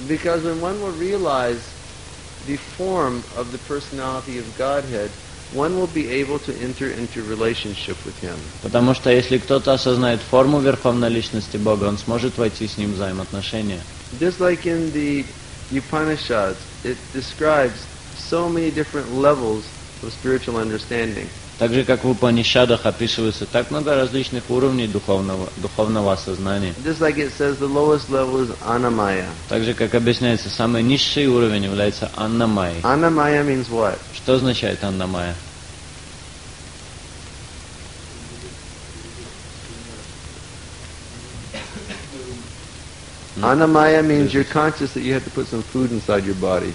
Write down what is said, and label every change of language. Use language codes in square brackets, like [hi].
[en] Because when one will realize the form of the personality of Godhead, one will be able to enter into relationship with him. [ru] Потому что если кто-то осознает форму верховной личности Бога, он сможет войти с ним в взаимоотношения. [en] Just like in the Upanishads, it describes so many different levels of spiritual understanding. [ru] Так же как в Упанишадах описывается так много различных уровней духовного осознания. [en] Just like it says, the lowest level is Anamaya. [ru] Так же как объясняется, самый низший уровень является Анамайя. [en] Анамайя means what? [ru] Что означает Анамайя? [en] Anamaya means you're conscious that you have to put some food inside your body.